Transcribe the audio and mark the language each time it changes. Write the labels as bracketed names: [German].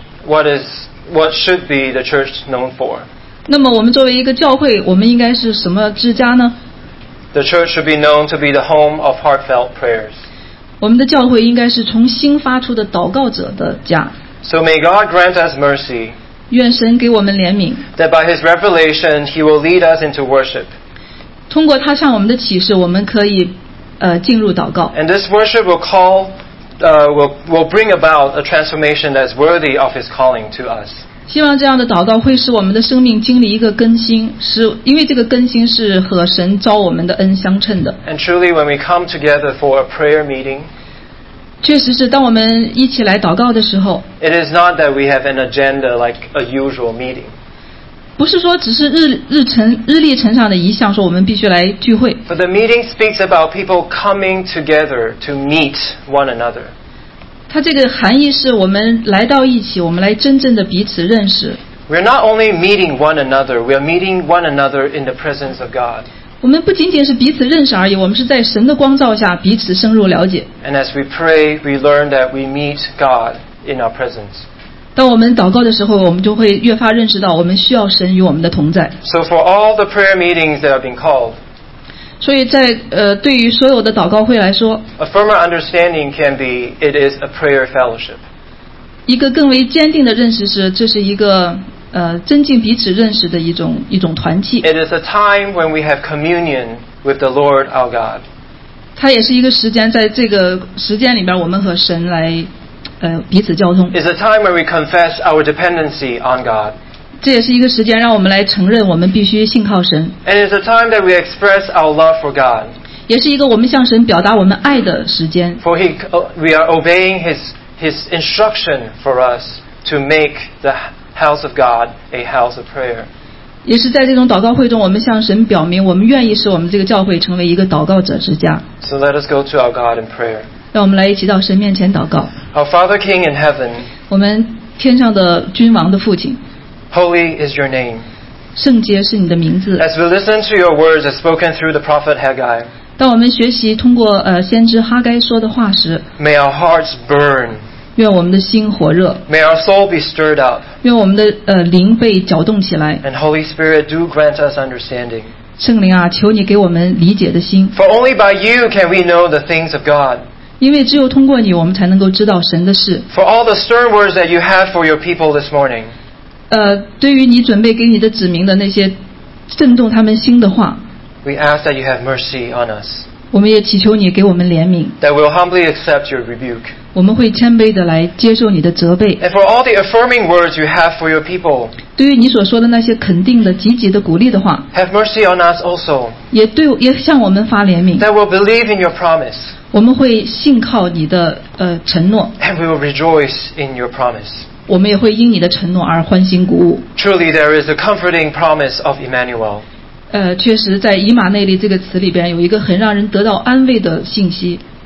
[English] What should be the church known for? [Chinese] 那么我们作为一个教会，我们应该是什么之家呢？ [English] The church should be known to be the home of heartfelt prayers. [Chinese] 我们的教会应该是从心发出的祷告者的家。 [English] So may God grant us mercy. [Chinese] 愿神给我们怜悯。 [English] That by His revelation, He will lead us into worship. [Chinese] 通过他向我们的启示，我们可以进入祷告。 [English] And this worship will call, will bring about a transformation that's worthy of His calling to us. [Chinese] 希望这样的祷告会使我们的生命经历一个更新，是因为这个更新是和神召我们的恩相称的。 [English] And truly, when we come together for a prayer meeting, [Chinese] 确实是当我们一起来祷告的时候， [English] it is not that we have an agenda like a usual meeting. [Chinese] 不是说只是日历程上的一项说我们必须来聚会。 [English] But the meeting speaks about people coming together to meet one another. [Chinese] 它这个含义是我们来到一起，我们来真正的彼此认识。 [English] We're not only meeting one another, we are meeting one another in the presence of God. [Chinese] 我们不仅仅是彼此认识而已，我们是在神的光照下彼此深入了解。 [English] And as we pray, we learn that we meet God in our presence. [Chinese] 当我们祷告的时候，我们就会越发认识到我们需要神与我们的同在。 [English] So for all the prayer meetings that have been called, [Chinese] 所以在对于所有的祷告会来说 [English] ，A firmer understanding can be it is a prayer fellowship. [Chinese] 一个更为坚定的认识是，这是一个增进彼此认识的一种团契。 [English] It is a time when we have communion with the Lord our God. [Chinese] 它也是一个时间，在这个时间里边，我们和神来彼此交通。 [English] It's a time when we confess our dependency on God. [Chinese] 这也是一个时间让我们来承认我们必须信靠神 [English] And it's a time that we express our love for God [Chinese] 也是一个我们向神表达我们爱的时间 [English] For we are obeying his instruction for us to make the house of God a house of prayer [Chinese] 也是在这种祷告会中我们向神表明我们愿意使我们这个教会成为一个祷告者之家 [English] So let us go to our God in prayer [Chinese] 让我们来一起到神面前祷告 [English] Our Father King in heaven [Chinese] 我们天上的君王的父亲 [English] Holy is your name. [Chinese] 圣洁是你的名字。 [English] As we listen to your words as spoken through the prophet Haggai, [Chinese] 当我们学习通过先知哈该说的话时 [English] ，May our hearts burn. [Chinese] 愿我们的心火热。 [English] May our soul be stirred up. [Chinese] 愿我们的灵被搅动起来。 [English] And Holy Spirit, do grant us understanding. [Chinese] 圣灵啊，求你给我们理解的心。 [English] For only by you can we know the things of God. [Chinese] 因为只有通过你，我们才能够知道神的事。 [English] For all the stern words that you have for your people this morning. [Chinese] 对于你准备给你的子民的那些震动他们心的话 [English] We ask that you have mercy on us [Chinese] 我们也祈求你给我们怜悯 [English] That we'll humbly accept your rebuke [Chinese] 我们会谦卑的来接受你的责备 [English] And for all the affirming words you have for your people [Chinese] 对于你所说的那些肯定的积极的鼓励的话 [English] Have mercy on us also [Chinese] 也向我们发怜悯 [English] That we'll believe in your promise [Chinese] 我们会信靠你的承诺 [English] And we'll rejoice in your promise [Chinese] 我们也会因你的承诺而欢欣鼓舞。 [English] Truly, there is a comforting promise of Emmanuel. [Chinese] 确实，在以马内利这个词里边有一个很让人得到安慰的信息。